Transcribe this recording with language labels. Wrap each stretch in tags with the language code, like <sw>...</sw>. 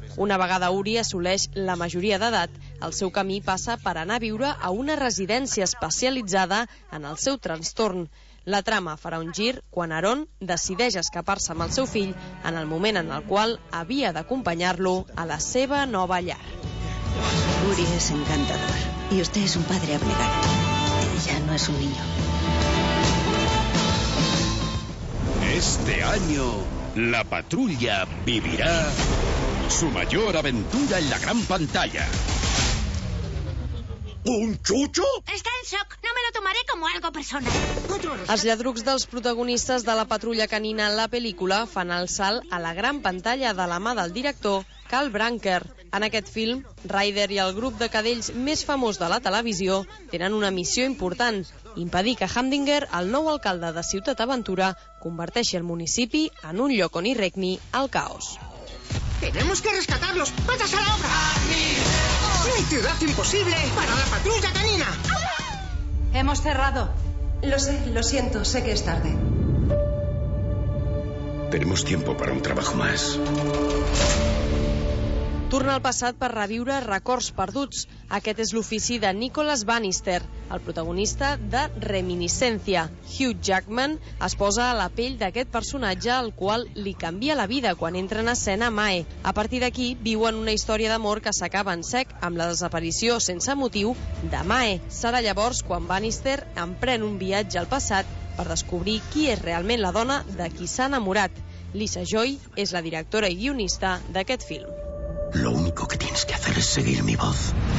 <ca>Una vegada Uri assoleix la majoria d'edat, el seu camí passa per anar a viure a una residència especialitzada en el seu trastorn. La trama farà un gir quan Aaron decideix escapar-se amb el seu fill en el moment en el qual havia d'acompanyar-lo a la seva nova llar.</ca> <es>Uri es encantador y usted es un padre abnegado. Ella no es un niño. Este año, la patrulla vivirá su mayor aventura en la gran pantalla. ¿Un chucho? Está en shock. No me lo tomaré como algo personal.</es> <ca>Els lladrucs dels protagonistes de La Patrulla Canina en la pel·lícula fan el salt a la gran pantalla de la mà del director Carl Brunker. En aquest film, Ryder i el grup de cadells més famós de la televisió tenen una missió important: impedir que Hamdinger, el nou alcalde de Ciutat Aventura, converteixi el municipi en un lloc on hi regni el caos.</ca> <es>Tenemos que rescatarlos. ¡Vayas a la obra! ¡Mi ciudad imposible para la patrulla canina! Hemos cerrado. Lo sé, lo siento, sé que es tarde. Tenemos tiempo para un trabajo más.</es> <ca>Tornar al passat per reviure records perduts. Aquest és l'ofici de Nicholas Bannister, el protagonista de Reminiscència. Hugh Jackman es posa a la pell d'aquest personatge, el qual li canvia la vida quan entra en escena Mae. A partir d'aquí, viuen una història d'amor que s'acaba en sec amb la desaparició sense motiu de Mae. Serà llavors quan Bannister emprèn un viatge al passat per descobrir qui és realment la dona de qui s'ha enamorat. Lisa Joy és la directora i guionista d'aquest film.</ca> <es>Lo único que tienes que hacer es seguir mi voz.</es>